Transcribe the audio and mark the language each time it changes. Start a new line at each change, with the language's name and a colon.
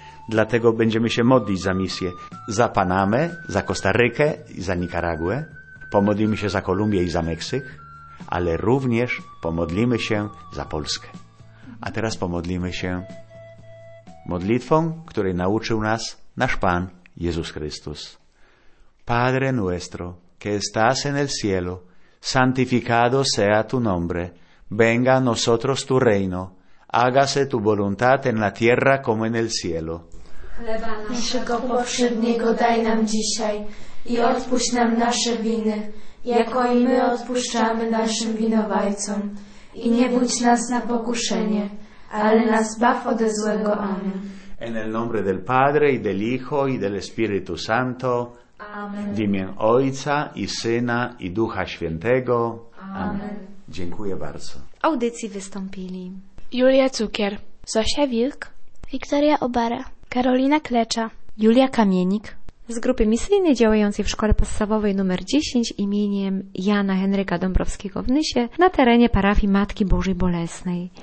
Polish: Dlatego będziemy się modlić za misję, za Panamę, za Kostarykę i za Nikaragłę. Pomodlimy się za Kolumbię i za Meksyk, ale również pomodlimy się za Polskę. A teraz pomodlimy się modlitwą, której nauczył nas nasz Pan Jezus Chrystus.
Spanish: Padre nuestro, que estás en el cielo, santificado sea tu nombre, venga a nosotros tu reino, hágase tu voluntad en la tierra como en el cielo.
Polish: Chleba naszego powszedniego daj nam dzisiaj i odpuść nam nasze winy, jako i my odpuszczamy naszym winowajcom. I nie wódź nas na pokuszenie, ale nas zbaw ode złego. Amen.
Spanish: En el nombre del Padre, i del Hijo, i del Espíritu Santo. Amen.
Polish: W imię Ojca, i Syna, i Ducha Świętego. Amen. Amen. Dziękuję bardzo. W audycji wystąpili Julia Cukier, Zosia Wilk, Wiktoria Obara, Karolina Klecza, Julia Kamienik z grupy misyjnej działającej w Szkole Podstawowej nr 10 imieniem Jana Henryka Dąbrowskiego w Nysie na terenie parafii Matki Bożej Bolesnej.